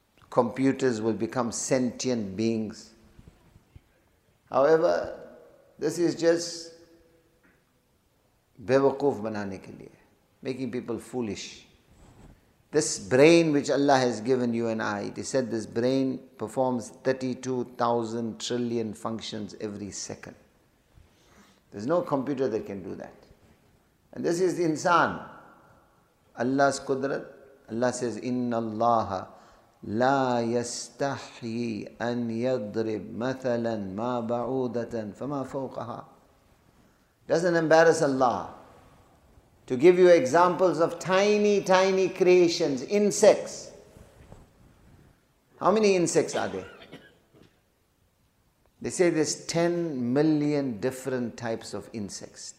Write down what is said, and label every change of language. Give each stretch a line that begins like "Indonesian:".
English: computers will become sentient beings. However, this is just
Hindi: bewakuf banane ke liye,
English: making people foolish. This brain which Allah has given you and I, it is said this brain performs 32,000 trillion functions every second. There's no computer that can do that. And this is the insan. Allah's qudrat. Allah says,
Arabic: إِنَّ اللَّهَ لَا يَسْتَحْيِي أَنْ يَضْرِبْ مَثَلًا مَا بَعُودَةً فَمَا فَوْقَهَا.
English: Doesn't embarrass Allah to give you examples of tiny, tiny creations, insects. How many insects are there? They say there's 10 million different types of insects.